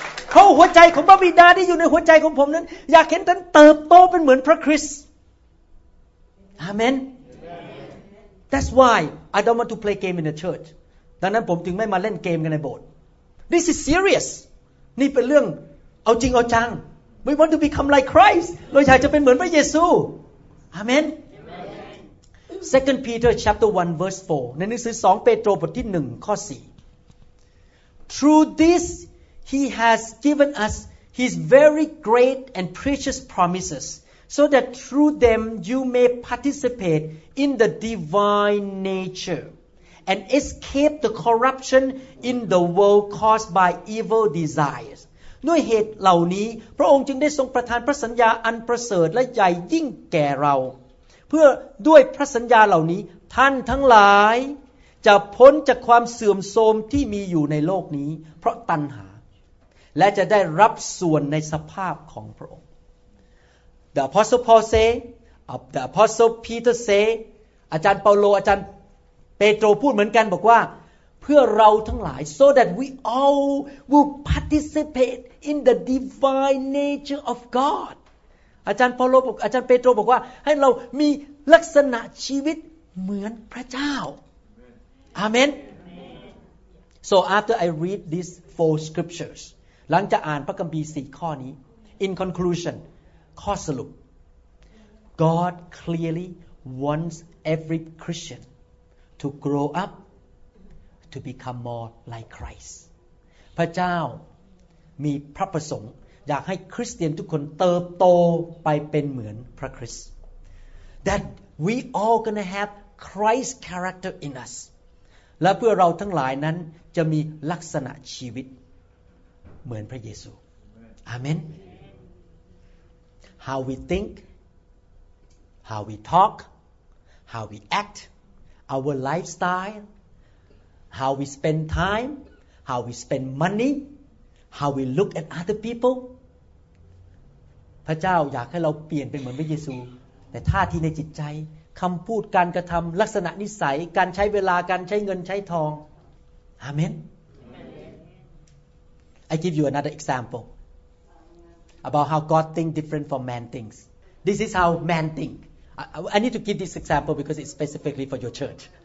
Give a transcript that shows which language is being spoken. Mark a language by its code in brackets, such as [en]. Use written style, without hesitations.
[th] เพราะหัวใจของพระบิดาที่อยู่ในหัวใจของผมนั้นอยากเห็นท่านเติบโตเป็นเหมือนพระคริสต์ [en] AmenThat's why I don't want to play game in the church. [th] ดังนั้นผมถึงไม่มาเล่นเกมกันในโบสถ์ [en] This is serious. [th] นี่เป็นเรื่องเอาจริงเอาจัง [en] We want to become like Christ. [th] เราอยากจะเป็นเหมือนพระเยซู Amen. [en] 2 Peter chapter 1 verse 4. [th] ในหนังสือ2เปโตรบทที่1ข้อ4 [en] Through this he has given us his very great and precious promises. So that through them you may participate in the divine nature and escape the corruption in the world caused by evil desires. [th] ด้วยเหตุเหล่านี้พระองค์จึงได้ทรงประทานพระสัญญาอันประเสริฐและใหญ่ยิ่งแก่เราเพื่อด้วยพระสัญญาเหล่านี้ท่านทั้งหลายจะพ้นจากความเสื่อมโทรมที่มีอยู่ในโลกนี้เพราะตัณหาและจะได้รับส่วนในสภาพของพระองค์ [en] The Apostle Paul say, the Apostle Peter say, [th] อาจารย์เปาโลอาจารย์เปโตรพูดเหมือนกันบอกว่าเพื่อเราทั้งหลาย [en] so that we all will participate in the divine nature of God. [th] อาจารย์เปาโลบอกอาจารย์เปโตรบอกว่าให้เรามีลักษณะชีวิตเหมือนพระเจ้า Amen. [en] So after I read these four scriptures, [th] หลังจากอ่านพระคัมภีร์สี่ข้อนี้ [en] in conclusion. [th] ข้อสรุป [en] God clearly wants every Christian to grow up to become more like Christ. [th] พระเจ้ามีพระประสงค์อยากให้คริสเตียนทุกคนเติบโตไปเป็นเหมือนพระคริสต์ [en] That we all gonna have Christ character in us. [th] และเพื่อเราทั้งหลายนั้นจะมีลักษณะชีวิตเหมือนพระเยซู [en] Amen.How we think, how we talk, how we act, our lifestyle, how we spend time, how we spend money, how we look at other people. [th] พระเจ้าอยากให้เราเปลี่ยนเป็นเหมือนพระเยซูแต่ท่าทีในจิตใจคำพูดการกระทำลักษณะนิสัยการใช้เวลาการใช้เงินใช้ทองอาเมน [en] I give you another example about how God thinks different from man thinks. This is how man thinks. I need to give this example because it's specifically for your church.